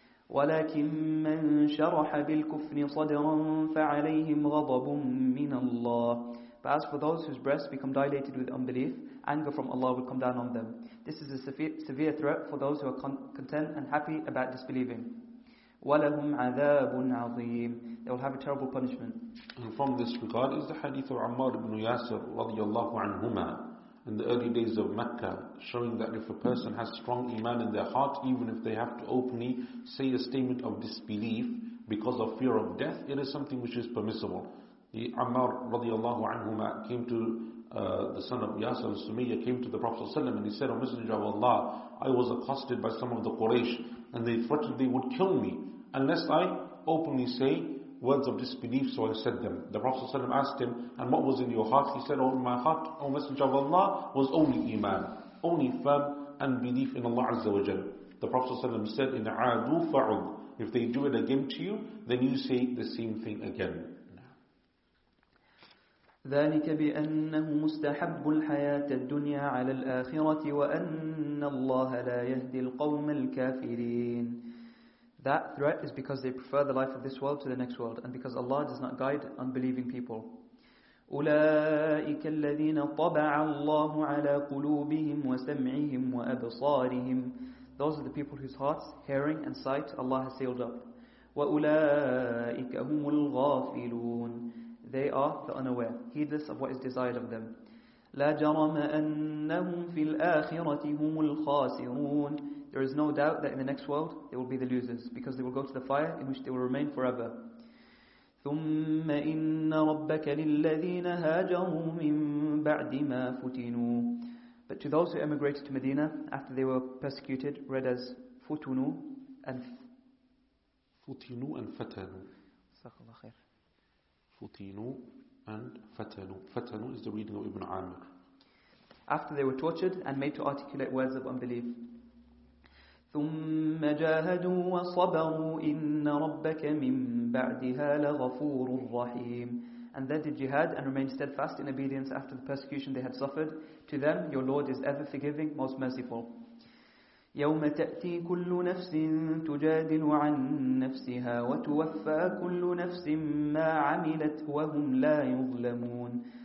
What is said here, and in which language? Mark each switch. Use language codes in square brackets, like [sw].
[ar] ولكن من شرح بالكفر صدرا فعليهم غضب من الله. [en] But as for those whose breasts become dilated with unbelief, anger from Allah will come down on them. This is a severe threat for those who are content and happy about disbelieving. [ar] وَلَهُمْ عَذَابٌ عَظِيمٌ. [en] They will have a terrible punishment. And from this regard is the hadith of Ammar ibn Yasir radiallahu anhuma in the early days of Mecca, showing that if a person has strong iman in their heart, even if they have to openly say a statement of disbelief because of fear of death, it is something which is permissible. The Ammar radiallahu anhuma came to the son of Yasir al-Sumayya, came to the Prophet and he said, O Messenger of Allah, I was accosted by some of the Quraysh and they threatened they would kill me unless I openly say words of disbelief, so I said them. The Prophet ﷺ asked him, and what was in your heart? He said, oh, my heart, O Messenger of Allah, was only iman, only firm and belief in Allah Azza wa Jal. The Prophet ﷺ said, [ar] in aadu fa'ud, [en] if they do it again to you, then you say the same thing again. [ar] ذلك بأنه مستحب الحياة الدنيا على الآخرة وأن الله لا يهدي القوم الكافرين. [en] That threat is because they prefer the life of this world to the next world, and because Allah does not guide unbelieving people. [ar] أولئك الذين طبع الله على قلوبهم وسمعهم وأبصارهم. [en] Those are the people whose hearts, hearing and sight Allah has sealed up. [ar] وأولئك هم الغافلون. [en] They are the unaware, heedless of what is desired of them. [ar] لا جرم أنهم في الآخرة هم الخاسرون. [en] There is no doubt that in the next world they will be the losers, because they will go to the fire in which they will remain forever. [ar] ثم إن ربك للذين هاجروا من بعد ما فتنوا. [en] But to those who emigrated to Medina after they were persecuted, read as فتنوا and [ar] فتنوا and فتنوا. جزاك الله خير. [en] فتنوا and فتنوا. فتنوا is the reading of Ibn Amir. After they were tortured and made to articulate words of unbelief. [ar] ثم جاهدوا وصبروا إن ربك من بعدها لغفور رحيم. [en] And then did jihad and remained steadfast in obedience after the persecution they had suffered. To them, your Lord is ever forgiving, most merciful. [ar] يوم تأتي كل نفس تجادل عن نفسها وتوفى كل نفس ما عملت وهم لا يظلمون.